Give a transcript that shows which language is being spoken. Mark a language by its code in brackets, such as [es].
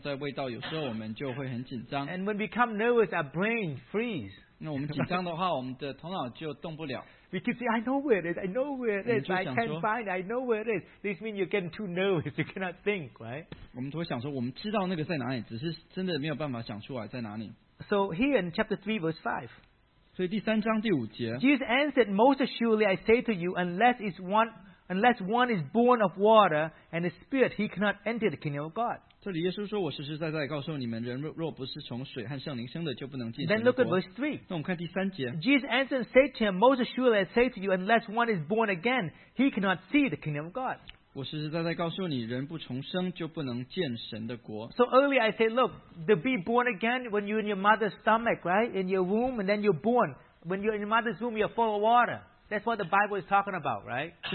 [zh] 但是如果我们没有在宣道或者没有在卫道，有时候我们就会很紧张。 [en] And when we become nervous, our brain freeze. [zh] 那我们紧张的话，我们的头脑就动不了。 [en] We keep saying, I know where it is, I know where it is, I can't find it, I know where it is. This means you're getting too nervous, you cannot think, right? [zh] 我们都会想说，我们知道那个在哪里，只是真的没有办法想出来在哪里。 [en] So here in chapter 3, verse 5. [zh] 所以第三章第五节, [en] Jesus answered, Most assuredly I say to you, unless one is born of water and the Spirit, he cannot enter the kingdom of God. [zh] 这里耶稣说,我实实在在告诉你们, 人若不是从水和圣灵生的, [en] then look at verse 3. [zh] 那我们看第三节, [en] Jesus answered and said to him, Most assuredly I say to you, unless one is born again, he cannot see the kingdom of God. [zh] 我实实在在告诉你，人不重生就不能见神的国。 [en] So earlier I said, look, to be born again when you're in your mother's stomach, right? In your womb, and then you're born. When you're in your mother's womb, you're full of water. That's what the Bible is talking about, right?